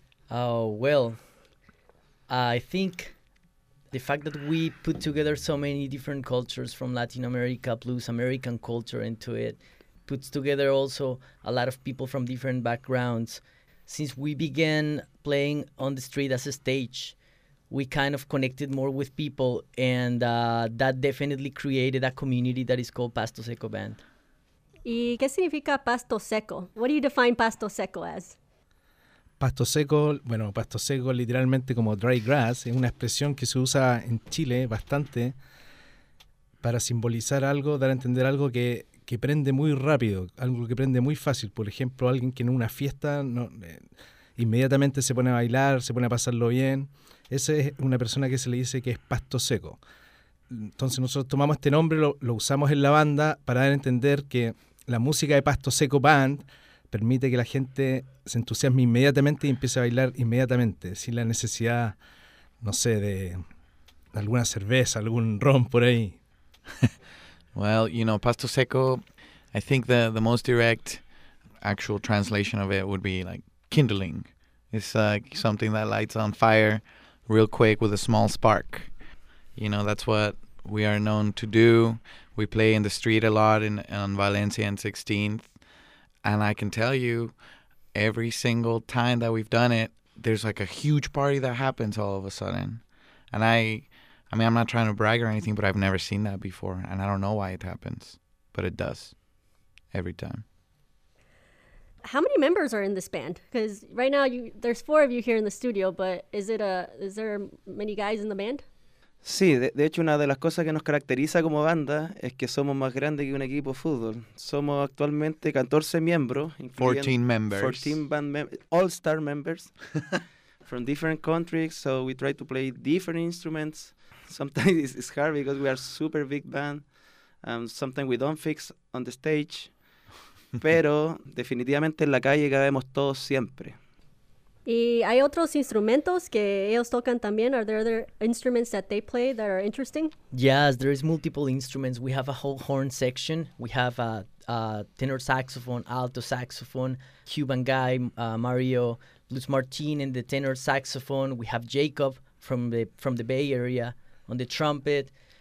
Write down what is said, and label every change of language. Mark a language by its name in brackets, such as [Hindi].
[English] Oh, well, I think the fact that we put together so many different cultures from Latin America, plus American culture into it, puts together also a lot of people from different backgrounds. Since we began playing on the street as a stage, we kind of connected more with people, and that definitely created a community that is called Pasto Seco Band. [Spanish] ¿Y qué significa Pasto Seco? [English] What do you define Pasto Seco as? [Spanish] Pasto Seco, bueno, Pasto Seco literalmente como [English] dry grass, [Spanish] es una expresión que se usa en Chile bastante para simbolizar algo, dar a entender algo que prende muy rápido, algo que prende muy fácil. Por ejemplo, alguien que en una fiesta no, inmediatamente se pone a bailar, se pone a pasarlo bien. Esa es una persona que se le dice que es Pasto Seco. Entonces nosotros tomamos este nombre, lo usamos en la banda para dar a entender que la música de Pasto Seco Band permite que la gente se entusiasme inmediatamente y empiece a bailar inmediatamente, sin la necesidad, no sé, de alguna cerveza, algún ron por ahí. [English] Well, you know, Pasto Seco, I think the most direct actual translation of it would be like kindling. It's like something that lights on fire real quick with a small spark. You know, that's what we are known to do. We play in the street a lot on Valencia and 16th. And I can tell you, every single time that we've done it, there's like a huge party that happens all of a sudden. And I mean, I'm not trying to brag or anything, but I've never seen that before. And I don't know why it happens, but it does every time. How many members are in this band? Because right now there's four of you here in the studio, but is there many guys in the band? [Spanish] Sí, de hecho una de las cosas que nos caracteriza como banda es que somos más grande que un equipo de fútbol. Somos actualmente 14 miembros. [English] 14 members. 14 band members, all-star members from different countries. So we try to play different instruments. Sometimes it's hard because we are super big band. Sometimes we don't fix on the stage. [Spanish] Pero definitivamente en la calle cabemos todos siempre. ¿Y hay otros instrumentos que ellos tocan también? [English] Are there other instruments that they play that are interesting? Yes, there is multiple instruments. We have a whole horn section. We have a tenor saxophone, alto saxophone, Cuban guy, Mario, Luis Martin in the tenor saxophone. We have Jacob from the Bay Area on the trumpet.